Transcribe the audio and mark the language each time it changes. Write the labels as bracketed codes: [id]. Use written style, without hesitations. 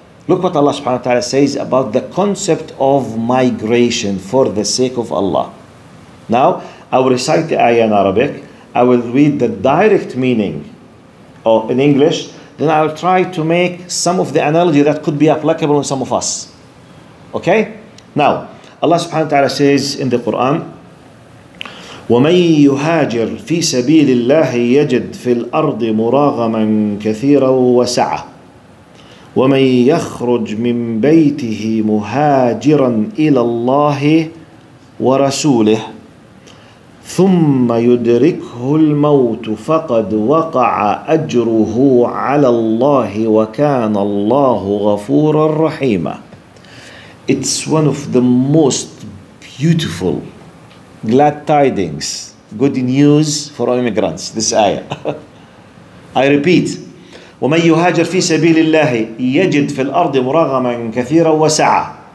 [en] Look what Allah subhanahu wa ta'ala says about the concept of migration for the sake of Allah. Now, I will recite the ayah in Arabic. I will read the direct meaning in English. Then I will try to make some of the analogy that could be applicable on some of us. Okay? Now, Allah subhanahu wa ta'ala says in the Quran, [ar] وَمَنْ يُهَاجِرْ فِي سَبِيلِ اللَّهِ يَجِدْ فِي الْأَرْضِ مُرَاغَمًا كَثِيرًا وَسَعَةً وَمَنْ يَخْرُجْ مِنْ بَيْتِهِ مُهَاجِرًا إِلَى اللَّهِ وَرَسُولِهِ ثُمَّ يُدْرِكْهُ الْمَوْتُ فَقَدْ وَقَعَ أَجْرُهُ عَلَى اللَّهِ وَكَانَ اللَّهُ غَفُورًا رَحِيمًا. [en] It's one of the most beautiful glad tidings, good news for immigrants, this ayah. I repeat. [ar] وَمَنْ يُهَاجِرْ فِي سَبِيلِ اللَّهِ يَجِدْ فِي الْأَرْضِ مُرَغَمًا كَثِيرًا وَسَعَةً.